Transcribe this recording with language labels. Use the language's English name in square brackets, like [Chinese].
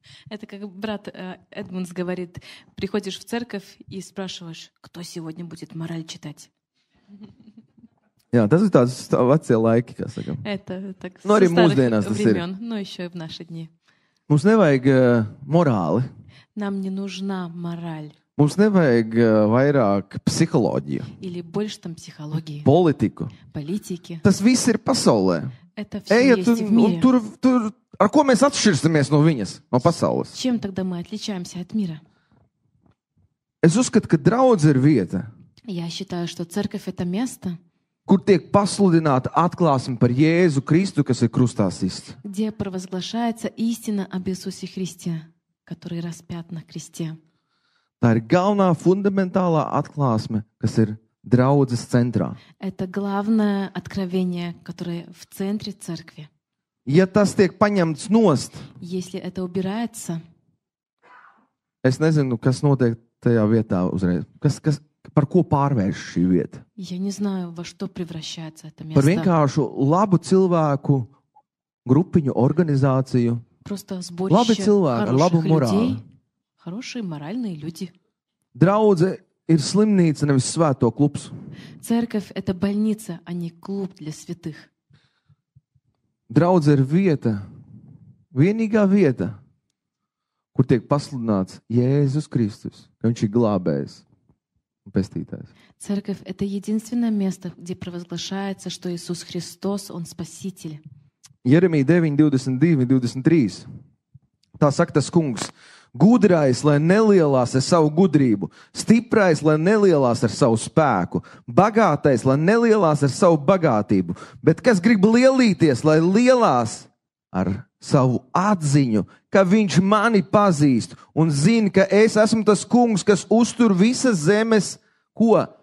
[Russian] Это как брат Эдмундс говорит, приходишь в церковь и спрашиваешь, кто сегодня будет мораль читать. [Latvian] Jā, tas ir tāds vecie laiki, kā sakam. [Russian] Это так, ну, [Latvian] arī mūsdienās tas ir. [Russian] Ну, еще и в наши дни. [Latvian] Mums nevajag morāli. [Russian] Нам не нужна мораль. [Latvian] Mums nevajag vairāk psiholoģiju. [Russian] Или больше там психологии. [Latvian] Politiku. [Russian] Политики. [Latvian] Tas viss ir pasaulē. [Russian] Это все есть в мире. [Latvian] Tur ar ko mēs atšķirsimies no viņas, no pasaules? [Russian] Чем тогда мы отличаемся от мира? [Latvian] Es uzskatu, ka draudze ir vieta. [Russian] Я считаю, что церковь это место. [Latvian] Kur tiek pasludināta atklāsme par Jēzu Kristu, kas ir krustā sists. [Russian] Где провозглашается истина об Иисусе Христе, который распят на кресте. [Latvian] Tā ir galvenā fundamentālā atklāsme, kas ir draudzes centrā. [Russian] Это главное откровение, которое в центре церкви. [Latvian] Ja tas tiek paņemts nost, [Russian] если это убирается. [Latvian] Es nezinu, kas notiek tajā vietā uzreiz. Kas par ko pārvērš šī vieta? [Russian] Я не знаю, во что превращается это место. [Latvian] Par vienkāršu labu cilvēku grupiņu organizāciju. [Russian] Просто сборище. [Latvian] Labi cilvēki, labu morāli. [Russian] Хорошие моральные люди. [Latvian] Draudze ir slimnīca, nevis svēto klubs. [Russian] Церковь это больница, а не клуб для святых. [Latvian] Draudze ir vieta, vienīgā vieta, kur tiek pasludināts Jēzus Kristus, ka viņš ir glābējs un pestītājs. [Russian] Церковь это единственное место, где провозглашается, что Иисус Христос, он спаситель. [Latvian] Jeremija 9:22-23. Tā saka tas Kungs: Gudrais, lai nelielās ar savu gudrību, stiprais, lai nelielās ar savu spēku, bagātais, lai nelielās ar savu bagātību, bet kas grib lielīties, lai lielās ar savu atziņu, ka viņš mani pazīst un zina, ka es esmu tas kungs, kas uztur visas zemes, ko?